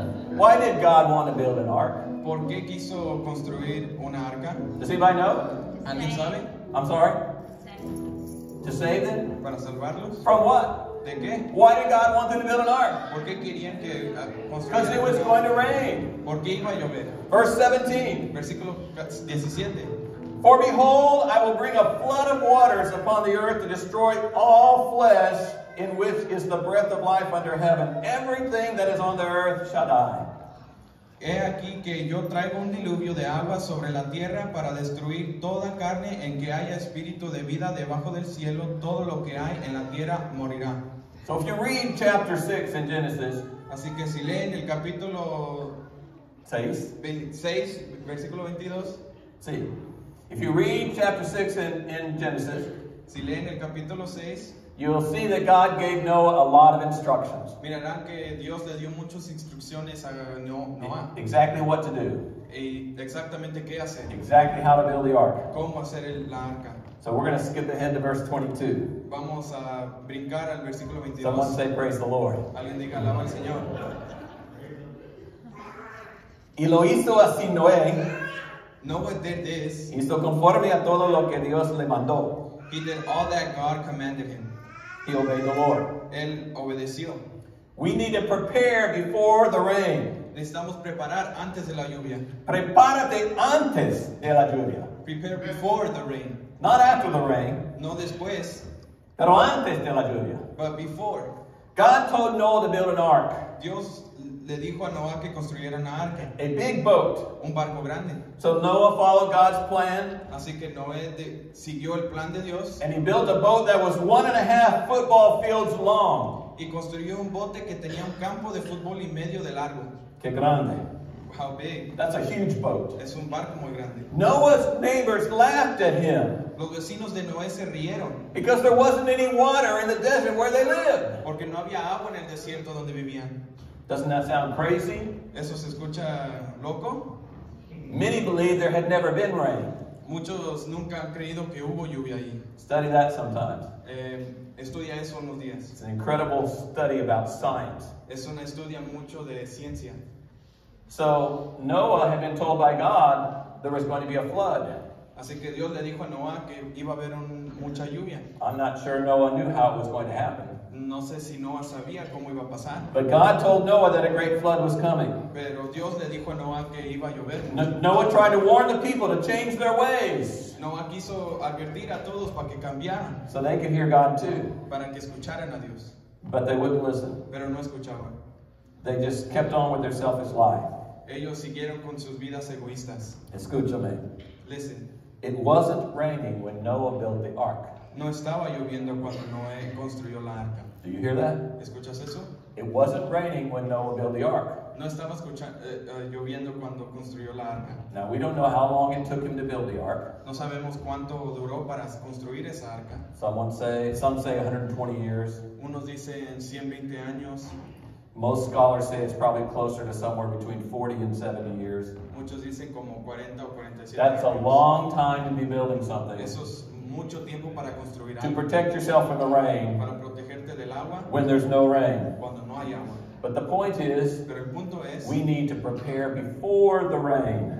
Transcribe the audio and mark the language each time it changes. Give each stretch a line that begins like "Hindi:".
English: Why did God want to build an ark?
Spanish: ¿Por qué quiso construir una arca?
English: Does anybody know?
Spanish: ¿Alguien sabe?
English: I'm sorry? To save them?
Spanish: ¿Para salvarlos?
English: From what?
Spanish: ¿De qué?
English: Why did God want them to build an ark?
Spanish: ¿Por qué querían que construyeran?
English: Because it was going to rain.
Spanish: ¿Por qué iba a llover?
English: Verse 17.
Spanish: Versículo 17.
English: For behold, I will bring a flood of waters upon the earth to destroy all flesh, in which is the breath of life under heaven. Everything that is on the earth shall die.
Spanish: He aquí que yo traigo un diluvio de agua sobre la tierra para destruir toda carne en que haya espíritu de vida debajo del cielo. Todo lo que hay en la tierra morirá.
English: So if you read chapter 6 in Genesis,
Spanish: así que si leen el capítulo 6, versículo 22,
English: sí. If you read chapter 6 in Genesis,
Spanish: si leen el capítulo 6,
English: you'll see that God gave Noah a lot of instructions.
Spanish: Mirarán que Dios le dio muchas instrucciones a Noah.
English: Exactly what to do.
Spanish: Y exactamente qué hacer.
English: Exactly how to build the ark.
Spanish: Cómo hacer la arca.
English: So we're going to skip ahead to verse 22.
Spanish: Vamos a brincar al versículo 22.
English: Someone say praise the Lord.
Spanish: Alguien diga alaba al Señor. Y lo hizo así Noé.
English: Noah did this.
Spanish: Hizo conforme a todo lo que Dios le mandó.
English: He did all that God commanded him. He obeyed the Lord.
Spanish: Él obedeció.
English: We need to prepare before the rain.
Spanish: Necesitamos preparar antes de la lluvia. Prepárate antes de la lluvia.
English: Prepare before the rain. Not after the rain.
Spanish: No después. Pero antes de la lluvia.
English: But before. God told Noah to build an ark.
Spanish: Dios le dijo a Noah que construyera una arca.
English: A big boat.
Spanish: Un barco grande.
English: So Noah followed God's plan.
Spanish: Así que Noé siguió el plan de Dios.
English: And he built a boat that was 1.5 football fields long.
Spanish: Y construyó un bote que tenía un campo de fútbol y medio de largo. Qué grande.
English: How big. That's a huge boat.
Spanish: Es un barco muy grande.
English: Noah's neighbors laughed at him.
Spanish: Los vecinos de Noé se rieron.
English: Because there wasn't any water in the desert where they lived.
Spanish: Porque no había agua en el desierto donde vivían.
English: Doesn't that sound crazy?
Spanish: ¿Eso se escucha loco?
English: Many believe there had never been rain.
Spanish: Muchos nunca han creído que hubo lluvia ahí.
English: Study that sometimes.
Spanish: Estudia eso unos días.
English: It's an incredible study about science.
Spanish: Es una estudia mucho de ciencia.
English: So Noah had been told by God there was going to be a flood.
Spanish: Así que Dios le dijo a Noah que iba a haber mucha lluvia.
English: I'm not sure Noah knew how it was going to happen.
Spanish: No sé si Noah sabía cómo iba a pasar.
English: But God told Noah that a great flood was coming.
Spanish: Pero Dios le dijo a Noah que iba a llover.
English: Noah tried to warn the people to change their ways.
Spanish: Noah quiso advertir a todos para que cambiaran.
English: So they could hear God too.
Spanish: Para que escucharan a Dios.
English: But they wouldn't listen.
Spanish: Pero no escuchaban.
English: They just kept on with their selfish life.
Spanish: Ellos siguieron con sus vidas egoístas. Escúchame.
English: Listen. It wasn't raining when Noah built the ark.
Spanish: No estaba lloviendo cuando Noé construyó la arca.
English: Do you hear that?
Spanish: ¿Escuchas eso?
English: It wasn't raining when Noah built the ark.
Spanish: No estaba lloviendo cuando construyó la arca.
English: Now we don't know how long it took him to build the ark.
Spanish: No sabemos cuánto duró para construir esa arca.
English: Some say 120 years.
Spanish: Unos dicen 120 años.
English: Most scholars say it's probably closer to somewhere between 40 and 70 years.
Spanish: Muchos dicen como 40 o 47.
English: That's a long time to be building something.
Spanish: Eso es mucho tiempo para construir algo.
English: To protect yourself from the rain.
Spanish: Para protegerte del agua.
English: When there's no rain.
Spanish: Cuando no hay agua.
English: But the point is,
Spanish: pero el punto es,
English: we need to prepare before the rain.